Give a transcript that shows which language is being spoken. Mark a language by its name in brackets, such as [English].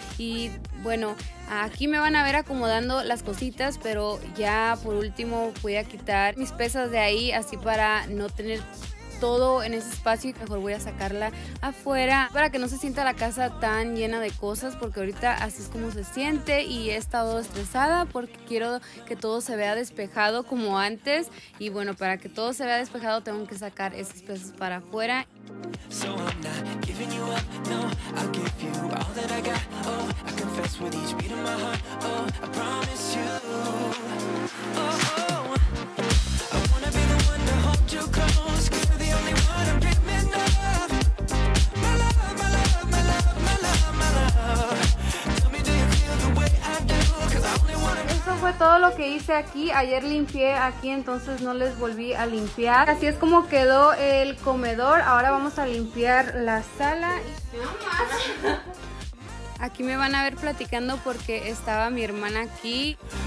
[Spanish] Y bueno, aquí me van a ver acomodando las cositas, pero ya por último voy a quitar mis pesas de ahí así para no tener todo en ese espacio y mejor voy a sacarla afuera para que no se sienta la casa tan llena de cosas, porque ahorita así es como se siente y he estado estresada porque quiero que todo se vea despejado como antes. Y bueno, para que todo se vea despejado tengo que sacar esas pesas para afuera. [English] So I'm not giving you up, no, I'll give you all that I got, oh, I confess with each beat of my heart, oh, I promise you, oh, oh, I wanna be the one to hold you close, cause you're the only one I'm dreaming of, my love, my love, my love, my love, my love. [Spanish] Eso fue todo lo que hice aquí. Ayer limpié aquí, entonces no les volví a limpiar. Así es como quedó el comedor. Ahora vamos a limpiar la sala. Aquí me van a ver platicando porque estaba mi hermana aquí.